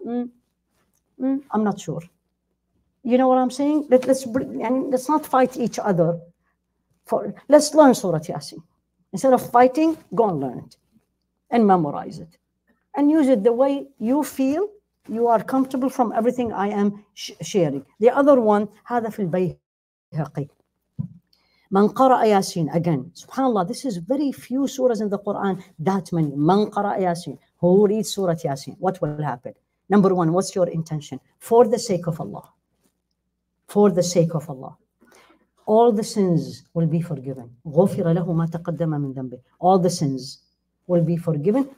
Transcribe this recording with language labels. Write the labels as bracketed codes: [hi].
[en] I'm not sure. You know what I'm saying? Let's not fight each other. Let's learn Surah Yasin. Instead of fighting, go and learn it and memorize it and use it the way you feel you are comfortable from everything I am sharing. The other one, [ar] هذا في البيهقي. من قرأ ياسين, [en] again, subhanAllah, this is very few surahs in the Quran that many. [ar] من قرأ ياسين, [en] who reads Surah Yasin, what will happen? Number one, what's your intention? For the sake of Allah. For the sake of Allah. All the sins will be forgiven. [ar] غُفِرَ لَهُ مَا تَقَدَّمَ مِنْ ذَنْبِهِ [en] All the sins will be forgiven.